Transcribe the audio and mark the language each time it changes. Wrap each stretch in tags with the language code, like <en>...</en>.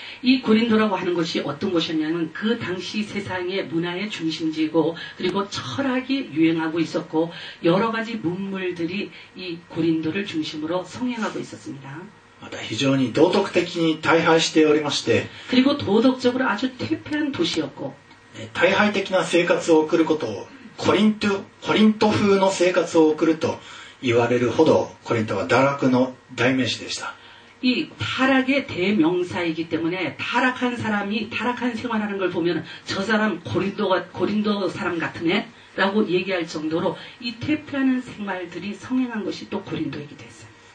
<ko>이고린도라고하는곳이어떤곳이었냐면그당시세상의문화의중심지고그리고철학이유행하고있었고여러가지문물들이이고린도를중심으로성행하고있었습니다</ko> <ja>また非常に道徳的に大敗しておりまして</ja> <ko>그리고도덕적으로아주퇴폐한도시였고</ko> <ja>大敗的な生活を送ることをコリント風の生活を送ると言われるほどコリントは堕落の代名詞でした</ja> <ko>이타락의대명사이기때문에타락한사람이타락한생활하는걸보면저사람고린도사람같은애라고얘기할정도로이퇴폐하는생활들이성행한것이또고린도이기도했어요</ko>